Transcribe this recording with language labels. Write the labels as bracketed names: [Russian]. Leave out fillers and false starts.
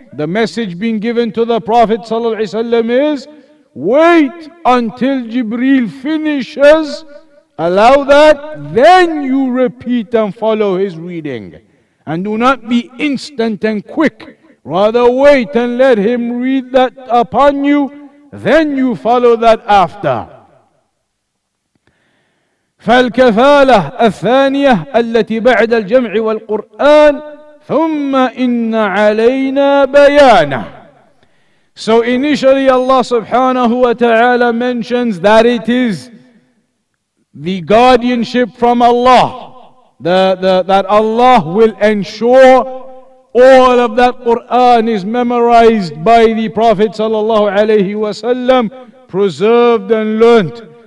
[English] The message being given to the Prophet sallallahu alayhi wa sallam is, wait until Jibreel finishes, allow that, then you repeat and follow his reading. and do not be instant and quick. Rather wait and let him read that upon you, then you follow that after. [Arabic] فالكفالة الثانية التي بعد الجمع والقرآن ثم إن علينا بيانه. [English] So initially Allah subhanahu wa ta'ala mentions that it is the guardianship from Allah, that Allah will ensure all of that Qur'an is memorized by the Prophet sallallahu alayhi wa sallam, preserved and learnt.